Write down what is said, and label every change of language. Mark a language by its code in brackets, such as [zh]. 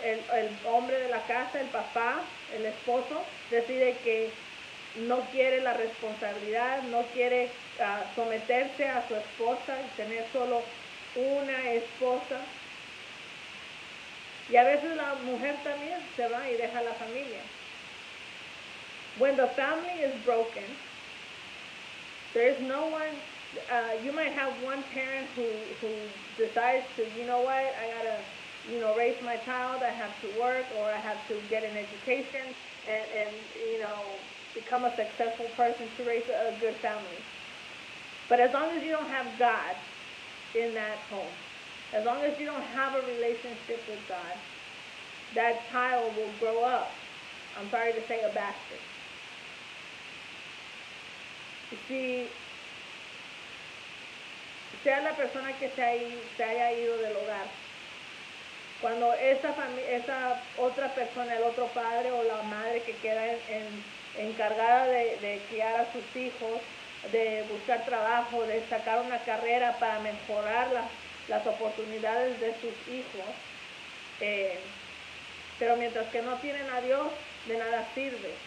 [es] El hombre de la casa, el papá, el esposo, decide que no quiere la responsabilidad, no quiere someterse a su esposa y tener solo una esposa. Y a veces la mujer también se va y deja la familia. [en] When the family is broken, there is no one, you might have one parent who decides to, you know what, I gotta, you know, raise my child, I have to work, or I have to get an education and you know, become a successful person to raise a good family. But as long as you don't have God in that home, as long as you don't have a relationship with God, that child will grow up, I'm sorry to say, a bastard. You see, [es] sea la persona que se haya ido del hogar, cuando esa otra persona, el otro padre o la madre que queda encargada de criar a sus hijos, de buscar trabajo, de sacar una carrera para mejorarla, las oportunidades de sus hijos, pero mientras que no tienen a Dios, de nada sirve.